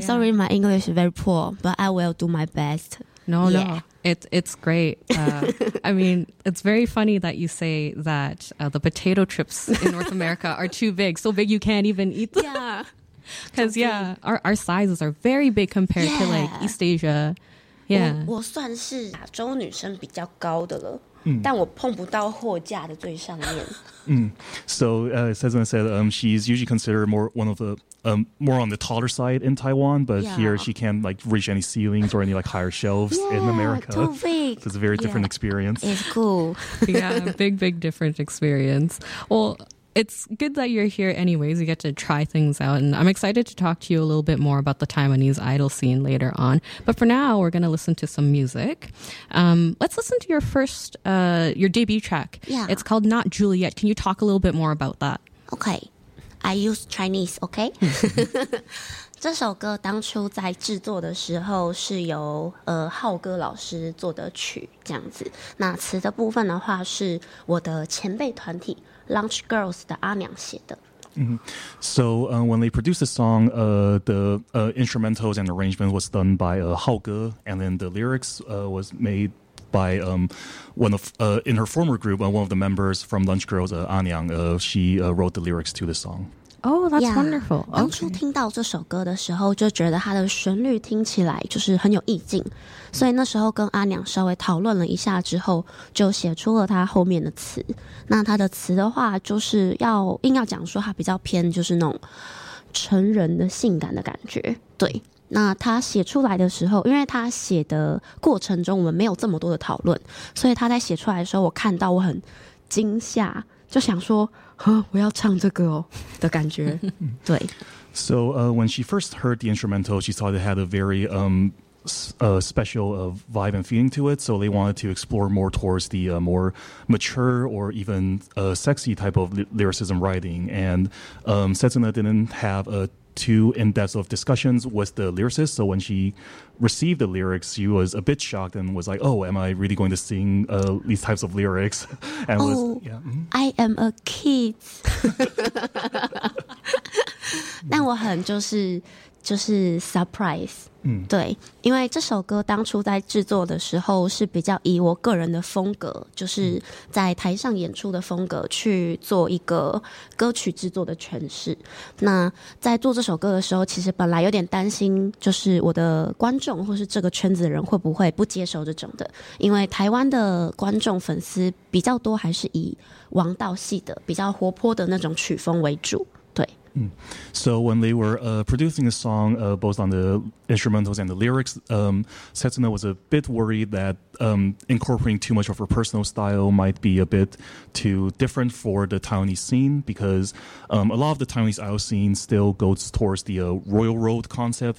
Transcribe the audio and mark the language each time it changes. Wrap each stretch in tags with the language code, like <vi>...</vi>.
<en>Sorry, my English is very poor, but I will do my best. No. It's great. I mean, it's very funny that you say that the potato chips in North America are too big. So big you can't even eat them. Yeah. Because, our sizes are very big compared to, like, East Asia. Yeah.</en> <zh>我算是亚洲女生比较高的了。但我碰不到货架的最上面。</zh> <en>So, Sezen said she's usually considered more one of the more on the taller side in Taiwan, but here she can't like reach any ceilings or any like higher shelves in America. Too big. So it's a very different experience. It's cool. Yeah, big different experience. Well, it's good that you're here anyways. You get to try things out. And I'm excited to talk to you a little bit more about the Taiwanese idol scene later on. But for now, we're going to listen to some music. Let's listen to your first, your debut track. Yeah. It's called Not Juliet. Can you talk a little bit more about that? Okay. I use Chinese, okay?</en> <zh>这首歌当初在制作的时候是由浩哥老师做的曲这样子，那词的部分的话是我的前辈团体 Lunch Girls 的阿娘写的。</zh> <en>So when they produced the song, instrumentals and arrangement was done by浩哥, and then the lyrics was made by in her former group, one of the members from Lunch Girls, 阿娘, she wrote the lyrics to the song. Oh, that's yeah, wonderful.</en> <zh>当初听到这首歌的时候，就觉得它的旋律听起来就是很有意境，所以那时候跟阿娘稍微讨论了一下之后，就写出了它后面的词。那它的词的话，就是要硬要讲说它比较偏就是那种成人的性感的感觉。对，那它写出来的时候，因为它写的过程中我们没有这么多的讨论，所以它在写出来的时候，我看到我很惊吓，就想说。我要唱这个哦的感觉对</zh> <en>So when she first heard the instrumental, she thought it had a very special vibe and feeling to it, so they wanted to explore more towards the more mature or even sexy type of lyricism writing, and Setsuna didn't have too in-depth of discussions with the lyricist, so when she received the lyrics, she was a bit shocked and was like, oh, am I really going to sing these types of lyrics? And oh, was, yeah. I am a kid.</en> <zh>但我很就是 surprise、嗯、对，因为这首歌当初在制作的时候是比较以我个人的风格，就是在台上演出的风格去做一个歌曲制作的诠释。那在做这首歌的时候，其实本来有点担心，就是我的观众或是这个圈子的人会不会不接受这种的，因为台湾的观众粉丝比较多，还是以王道系的比较活泼的那种曲风为主。</zh> <en>So when they were producing the song, both on the instrumentals and the lyrics, Setsuna was a bit worried that incorporating too much of her personal style might be a bit too different for the Taiwanese scene, because a lot of the Taiwanese idol scene still goes towards the Royal Road concept.</en>